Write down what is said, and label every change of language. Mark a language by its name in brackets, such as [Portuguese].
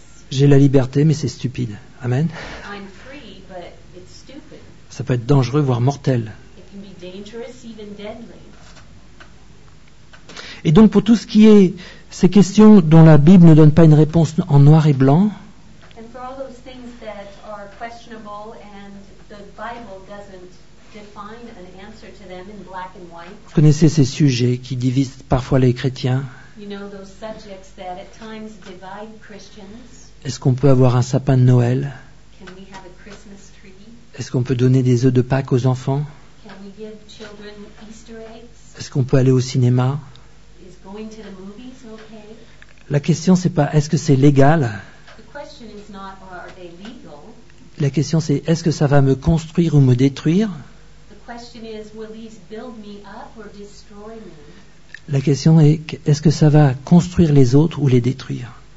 [French] J'ai la liberté, mais c'est stupide. Amen. [English] I'm free, but it's stupid. [French] Ça peut être dangereux, voire mortel. [English] It can be dangerous, even deadly. [French] Et donc, pour tout ce qui est ces questions dont la Bible ne donne pas une réponse en noir et blanc, [English] and for all those things that are questionable and the Bible doesn't define an answer to them in black and white, [French] vous connaissez ces sujets qui divisent parfois les chrétiens. [English] You know those subjects that at times divide Christians. [French] Est-ce qu'on peut avoir un sapin de Noël? [English] Can we have a Christmas tree? [French] Est-ce qu'on peut donner des œufs de Pâques aux enfants? [English] Can we give children Easter eggs? [French] Est-ce qu'on peut aller au cinéma? [English] Is going to the movies okay? [French] La question, c'est pas est-ce que c'est légal? [English] The question is not, are they legal? [French] La question, c'est est-ce que ça va me construire ou me détruire? [English] The question is, will these build me up or destroy me? [French] La question est-ce que ça va construire les autres ou les détruire?